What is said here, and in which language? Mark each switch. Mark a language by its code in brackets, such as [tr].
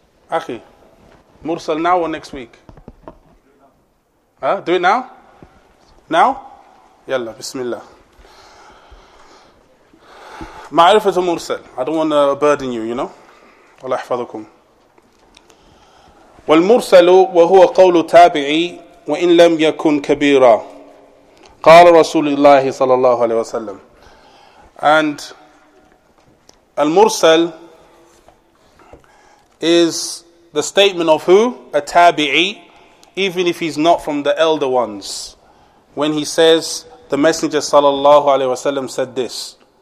[en] Akhi, mursal now or next week? Do it now? Now? Yalla, bismillah. [ar] Ma'arifat al-mursal. [en] I don't want to burden you, you know? [ar] Allah ihfadhukum. والمرسل وهو قول تابعي وإن لم يكن كبيرا قال رسول الله صلى الله عليه وسلم. [en] And المرسل is the statement of who? A tabi'i, even if he's not from the elder ones. When he says, the messenger صلى الله عليه وسلم said this.